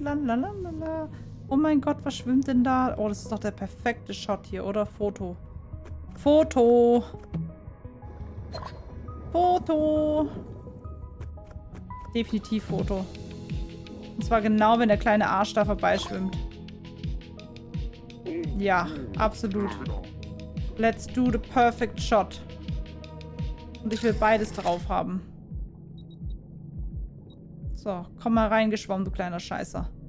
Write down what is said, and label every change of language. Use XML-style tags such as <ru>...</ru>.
<de>Lalalala. Oh mein Gott, was schwimmt denn da? Oh, das ist doch der perfekte Shot hier, oder? Foto. Foto. Foto. Definitiv Foto. Und zwar genau, wenn der kleine Arsch da vorbeischwimmt. Ja, absolut.</de> <en>Let's do the perfect shot.</en> <de>Und ich will beides drauf haben. So, komm mal reingeschwommen, du kleiner Scheißer.</de>